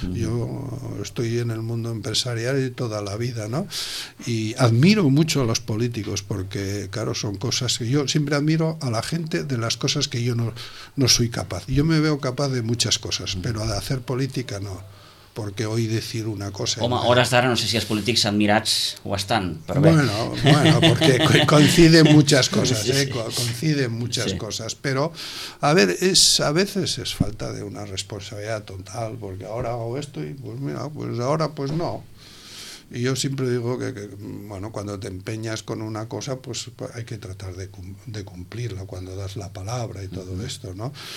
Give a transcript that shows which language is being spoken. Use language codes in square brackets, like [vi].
[es] Yo estoy en el mundo empresarial y toda la vida, ¿no? Y admiro mucho a los políticos porque, claro, son cosas que yo siempre admiro a la gente de las cosas que yo no soy capaz. Yo me veo capaz de muchas cosas, pero de hacer política no. Porque hoy decir una cosa... [ca] Home, a hores d'ara no sé si els polítics admirats ho estan, però bé. [es] Bueno, porque coinciden muchas cosas, coinciden muchas cosas, pero a ver, a veces es falta de una responsabilidad total, porque ahora hago esto y pues mira, pues ahora pues no. Y yo siempre digo que bueno, cuando te empeñas con una cosa, pues hay que tratar de cumplirla cuando das la palabra y todo esto, ¿no?